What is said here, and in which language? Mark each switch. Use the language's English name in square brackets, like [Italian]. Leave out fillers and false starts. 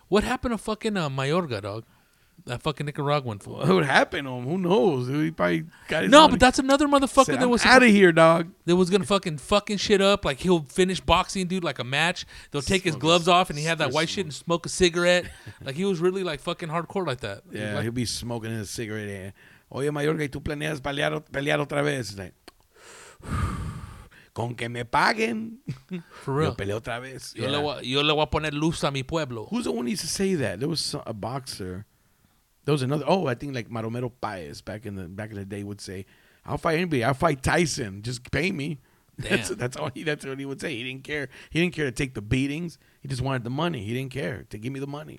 [English] What happened to fucking Mayorga, dog? That fucking Nicaraguan fool. What happened to him? Who knows? He probably got his no, money. But that's another motherfucker said, that was out of here, dog. That was gonna fucking shit up. Like he'll finish boxing, dude, like a match. They'll take his gloves off and he had that white shit and smoke a cigarette. Like he was really like fucking hardcore like that. Yeah, like, he'll be smoking his cigarette here. [Spanish] Oye, Mayorga, ¿y tú planeas pelear otra vez? [English] Like, [Spanish] con que me paguen. [English] For real. [Spanish] Yo peleo otra vez. [English] Yo, yeah. [Spanish] le voy a poner luz a mi pueblo. [English] Who's the one who used to say that? There was a boxer. There was another. Oh, I think like Maromero Páez back in the day would say, I'll fight anybody. I'll fight Tyson. Just pay me. Damn. That's what he would say. He didn't care. He didn't care to take the beatings. He just wanted the money. He didn't care to give me the money.